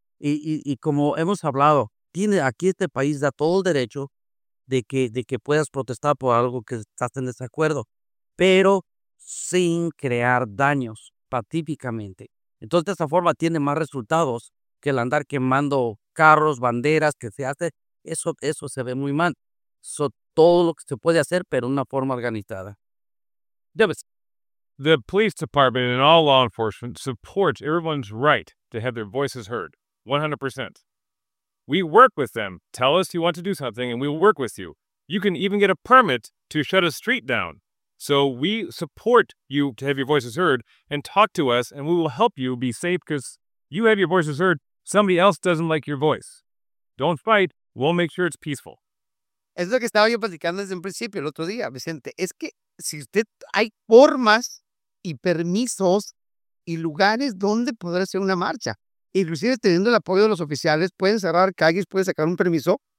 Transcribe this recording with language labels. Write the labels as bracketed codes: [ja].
[es] Y como hemos hablado, aquí este país da todo el derecho de que puedas protestar por algo que estás en desacuerdo, pero sin crear daños pacíficamente. Entonces, de esa forma tiene más resultados que el andar quemando carros, banderas, que se hace. Eso se ve muy mal. Todo lo que se puede hacer, pero de una forma organizada. Debes. [en] The police department and all law enforcement supports everyone's right to have their voices heard, 100%. We work with them. Tell us you want to do something and we will work with you. You can even get a permit to shut a street down. So we support you to have your voices heard and talk to us and we will help you be safe because you have your voices heard. Somebody else doesn't like your voice. Don't fight. We'll make sure it's peaceful. [es] Es lo que estaba yo platicando desde un principio, el otro día, Vicente. Es que si usted hay formas y permisos y lugares donde podrá hacer una marcha. Inclusive teniendo el apoyo de los oficiales, pueden cerrar calles, pueden sacar un permiso.